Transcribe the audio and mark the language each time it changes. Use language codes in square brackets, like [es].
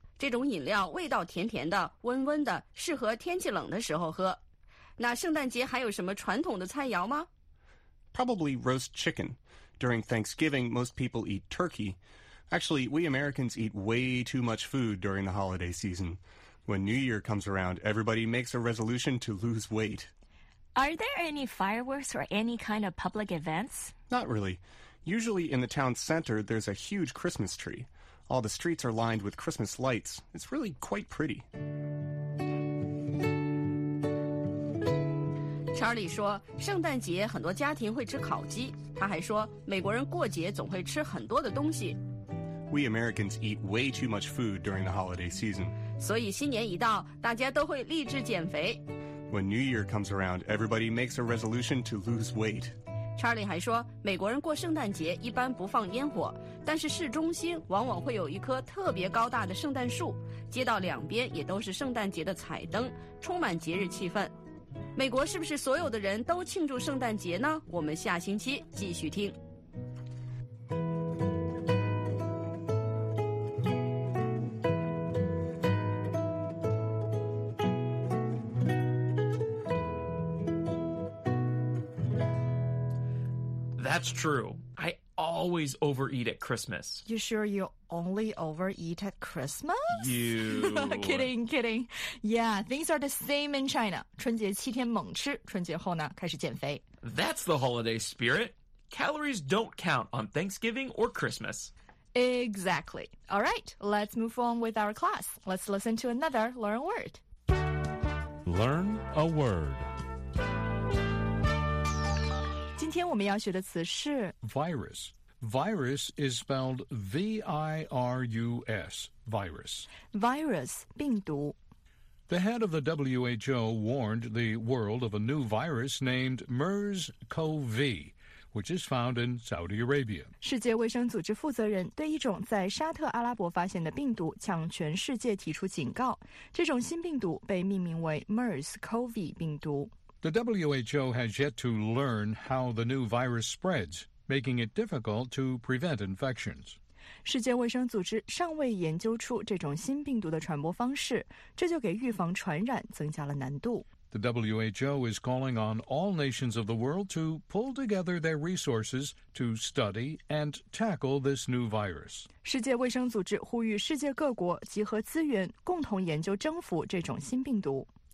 [zh] 这种饮料味道甜甜的，温温的，适合天气冷的时候喝。那圣诞节还有什么传统的菜肴吗？ [en] Probably roast chicken. During Thanksgiving, most people eat turkey. Actually, we Americans eat way too much food during the holiday season. When New Year comes around, everybody makes a resolution to lose weight. Are there any fireworks or any kind of public events? Not really. Usually in the town center, there's a huge Christmas tree. All the streets are lined with Christmas lights. It's really quite pretty. [zh] 查理说，圣诞节很多家庭会吃烤鸡。他还说，美国人过节总会吃很多的东西。 [en] We Americans eat way too much food during the holiday season. [zh] 所以新年一到，大家都会立志减肥。 [en] When New Year comes around, everybody makes a resolution to lose weight. [zh] Charlie 还说，美国人过圣诞节一般不放烟火，但是市中心往往会有一棵特别高大的圣诞树，街道两边也都是圣诞节的彩灯，充满节日气氛。美国是不是所有的人都庆祝圣诞节呢？我们下星期继续听。 [en] That's true. I always overeat at Christmas. You sure you only overeat at Christmas? You. kidding, kidding. Yeah, things are the same in China. [zh] 春节七天猛吃,春节后呢,开始减肥。 [en] That's the holiday spirit. Calories don't count on Thanksgiving or Christmas. Exactly. All right, let's move on with our class. Let's listen to another Learn a Word. Learn a Word. [zh] 今天我们要学的词是 [en] virus. Virus is spelled V-I-R-U-S, virus. Virus, [zh] 病毒. [en] The head of the WHO warned the world of a new virus named MERS-CoV, which is found in Saudi Arabia. [zh] 世界卫生组织负责人对一种在沙特阿拉伯发现的病毒向全世界提出警告。这种新病毒被命名为 MERS-CoV 病毒。 [en] The WHO has yet to learn how the new virus spreads, making it difficult to prevent infections. [zh] 世界卫生组织尚未研究出这种新病毒的传播方式，这就给预防传染增加了难度。 [en] The WHO is calling on all nations of the world to pull together their resources to study and tackle this new virus. [zh] 世界卫生组织呼吁世界各国集合资源，共同研究征服这种新病毒。